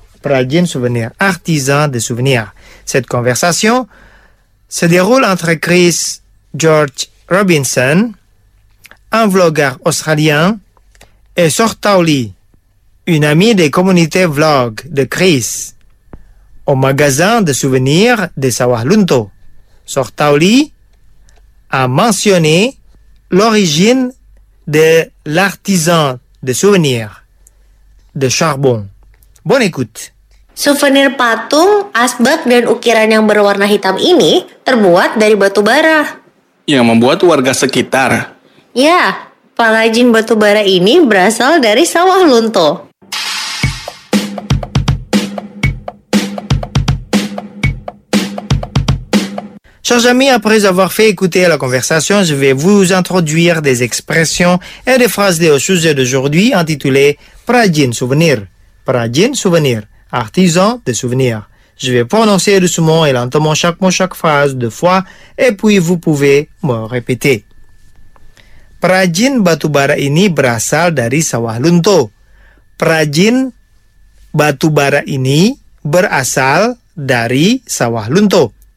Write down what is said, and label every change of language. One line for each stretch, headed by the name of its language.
French: Prajin Souvenir, artisan de souvenirs. Cette conversation se déroule entre Chris George Robinson, un vlogueur australien, et Sortauli, une amie des communautés vlog de Chris, au magasin de souvenirs de Sawahlunto. Sortauli a mentionné l'origine de l'artisan de souvenirs de charbon. Bonne écoute.
Indonesian: Souvenir patung, asbak, dan ukiran yang berwarna hitam ini terbuat dari batu bara. Yang membuat warga sekitar. Ya, pengrajin batu bara ini berasal dari Sawahlunto.
French: Chers amis, après avoir fait écouter la conversation, je vais vous introduire des expressions et des phrases liées au sujet d'aujourd'hui intitulées « Prajin souvenir ». Prajin souvenir, artisan de souvenir. Je vais prononcer doucement et lentement chaque mot, chaque phrase deux fois et puis vous pouvez me répéter.
Indonesian: Prajin batubara ini berasal dari sawah lunto. Prajin batubara ini berasal dari sawah lunto.